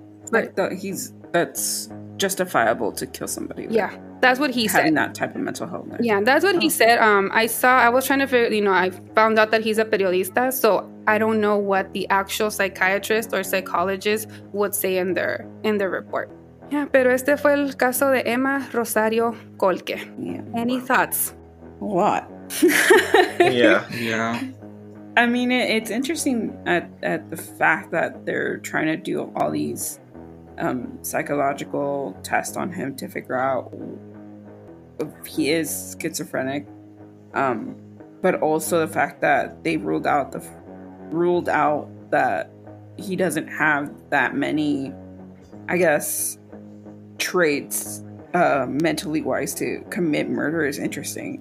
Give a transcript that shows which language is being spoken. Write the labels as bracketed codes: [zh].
[en] But that's justifiable to kill somebody. Yeah, that's what he having said. Having that type of mental health. Yeah, that's what he said. I was trying to figure, you know, I found out that he's a periodista. So I don't know what the actual psychiatrist or psychologist would say in their report. [es] Yeah, pero este fue el caso de Emma Rosario Colque. [en] Yeah. Any thoughts? A lot. Yeah. I mean, it's interesting at the fact that they're trying to do all these psychological tests on him to figure out if he is schizophrenic. But also the fact that they ruled out that he doesn't have that many, I guess, traits mentally wise to commit murder is interesting.